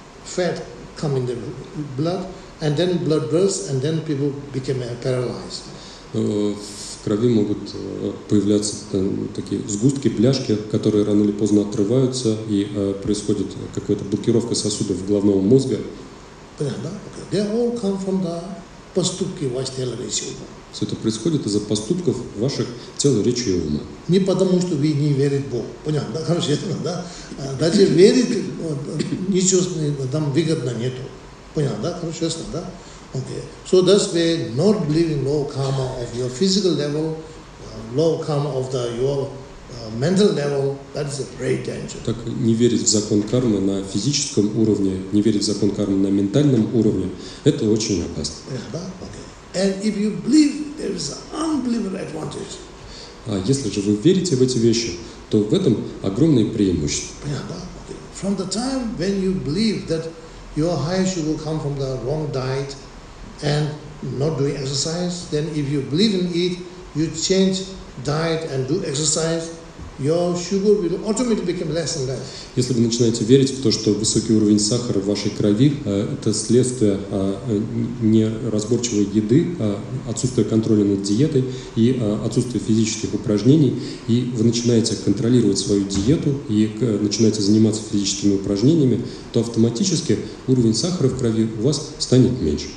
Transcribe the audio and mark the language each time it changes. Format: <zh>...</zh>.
<en>Fat come in the blood, and then blood burst, and then people become paralyzed.</en> <ru>В крови могут появляться такие сгустки, пляшки, которые рано или поздно отрываются, и происходит какая-то блокировка сосудов головного мозга. Понятно, да?</ru> <en>Okay. They all come from the</en> <ru>поступки ваш тела речи ума. Все это происходит из-за поступков ваших тела, речи и ума. Не потому, что вы не верите в Бога. Понятно, да? Хорошо, ясно, да? Даже верить ничего там выгодно нету. Понятно, да? Хорошо, ясно, да? Окей.</ru> <en>So that's why not believing low karma of your physical level, low karma of the your mental level, that is a great danger.</en> <ru>Так не верить в закон кармы на физическом уровне, не верить в закон кармы на ментальном уровне, это очень опасно. Понятно, да? Окей.</ru> <en>And if you believe There is an unbelievable advantage.</en> <ru>А если же вы верите в эти вещи, то в этом огромное преимущество. Понятно? Okay.</ru> <en>From the time when you believe that your high sugar will come from the wrong diet and not doing exercise, then if you believe in it, you change diet and do exercise, your sugar will automatically become less and less.</en> <ru>Если вы начинаете верить в то, что высокий уровень сахара в вашей крови это следствие неразборчивой еды, отсутствие контроля над диетой и отсутствие физических упражнений, и вы начинаете контролировать свою диету и начинаете заниматься физическими упражнениями, то автоматически уровень сахара в крови у вас станет меньше.</ru>